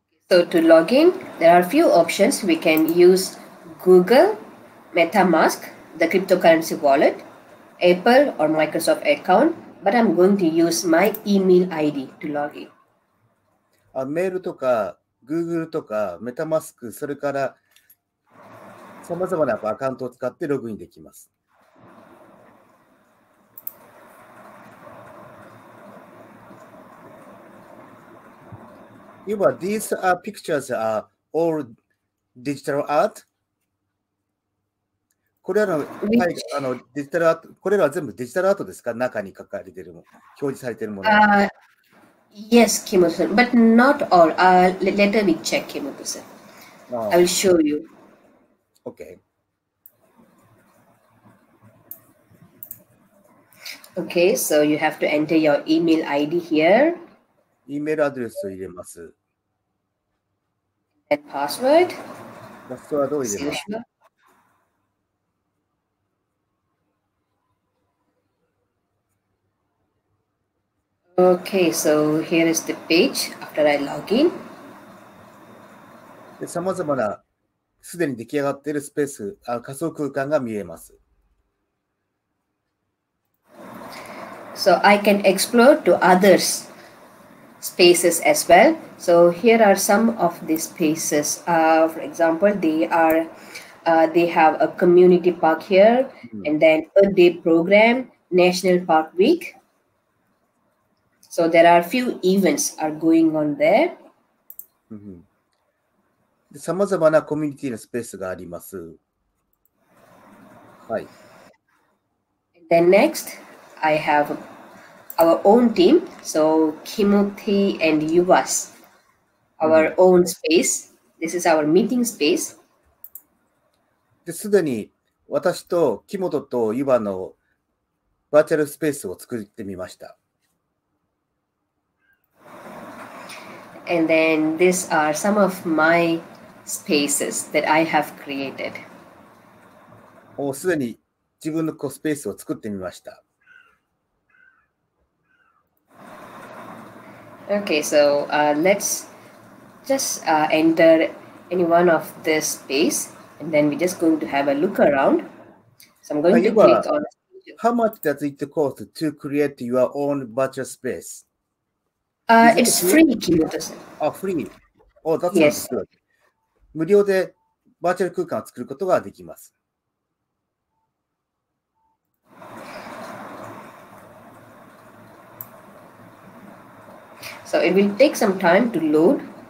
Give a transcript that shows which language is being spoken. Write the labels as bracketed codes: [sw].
[en] So to log in, there are a few options. We can use Google, MetaMask, the cryptocurrency wallet, Apple or Microsoft account, but I'm going to use my email ID to log in. [ja] メールとかGoogle とかメタマスク、それからさまざまなアカウントを使ってログインできます。 [en] You are, these are pictures are all digital art? [ja] これらの、はい、デジタルアート、これらは全部デジタルアートですか？中に書かれているもの、表示されているもの。 [en] Yes, Kimoto-san, but not all. Later we check, Kimoto-san. I will show you. Okay. Okay, so you have to enter your email ID here. [ja] Email address を入れます。 [en] And password. [ja] Password を入れます。 [en] Okay, so here is the page after I log in. [ja] で、さまざまなすでに出来上がっているスペース、仮想空間が見えます。 [en] So I can explore to others spaces as well. So here are some of the spaces. For example, they have a community park here, and then a day program, National Park Week. So there are a few events are going on there. [ja] さまざまなコミュニティのスペースがあります。はい。 [en] Then next, I have our own team, so Kimothi and Yuvas, our own space. This is our meeting space. [ja] すでに私と木本とユバのバーチャルスペースを作ってみました。 [en] And then these are some of my spaces that I have created. [ja] すでに自分のこうスペースを作ってみました。 [en] Okay, so let's just enter any one of this space. And then we're just going to have a look around. So I'm going to click on. How much does it cost to create your own virtual space? It's free, Kimoto-san. Oh, free. Oh, that's yes. Good. [ja] 無料でバーチャル空間を作ることができます。 [en] So it will take some time to load.